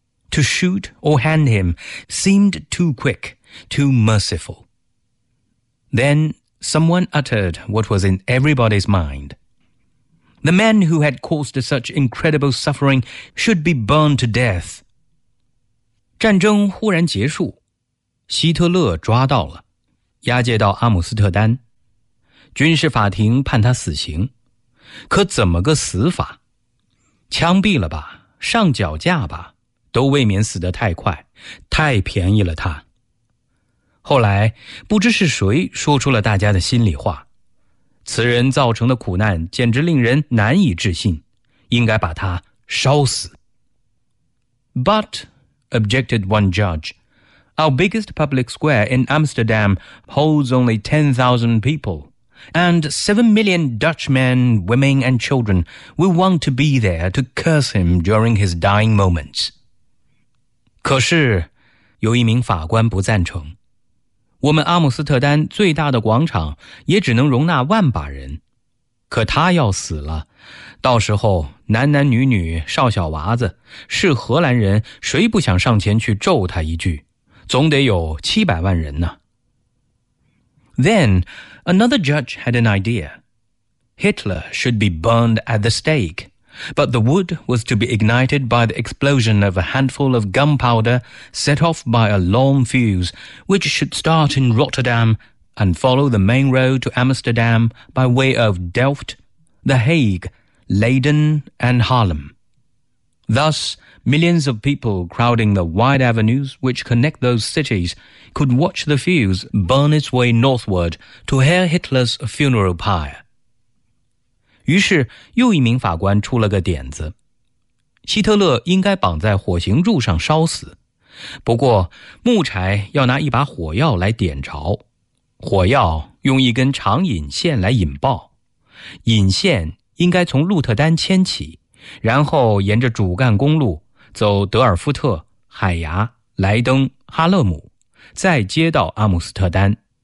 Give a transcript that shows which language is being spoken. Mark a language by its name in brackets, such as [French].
[English] To shoot or hang him seemed too quick, too merciful. Then someone uttered what was in everybody's mind. The men who had caused such incredible suffering should be burned to death. [Chinese] 战争忽然结束，希特勒抓到了，押解到阿姆斯特丹，军事法庭判他死刑，可怎么个死法？枪毙了吧，上绞架吧，都未免死得太快，太便宜了他。后来不知是谁说出了大家的心里话，此人造成的苦难简直令人难以置信，应该把他烧死。 [English] But, objected one judge, our biggest public square in Amsterdam holds only 10,000 people, and 7 million Dutch men, women and children will want to be there to curse him during his dying moments. [Chinese] 可是有一名法官不赞成，我们阿姆斯特丹最大的广场也只能容纳万把人，可他要死了，到时候男男女女少小娃子是荷兰人，谁不想上前去咒他一句，总得有700万人呢。 [English] Then another judge had an idea. Hitler should be burned at the stake, but the wood was to be ignited by the explosion of a handful of gunpowder set off by a long fuse, which should start in Rotterdam and follow the main road to Amsterdam by way of Delft, The Hague, Leiden and Haarlem. Thus, millions of people crowding the wide avenues which connect those cities could watch the fuse burn its way northward to Herr Hitler's funeral pyre. [Chinese] 于是又一名法官出了个点子，希特勒应该绑在火刑柱上烧死，不过木柴要拿一把火药来点着，火药用一根长引线来引爆，引线应该从鹿特丹牵起，然后沿着主干公路走德尔夫特、海牙、莱登、哈勒姆，再接到阿姆斯特丹，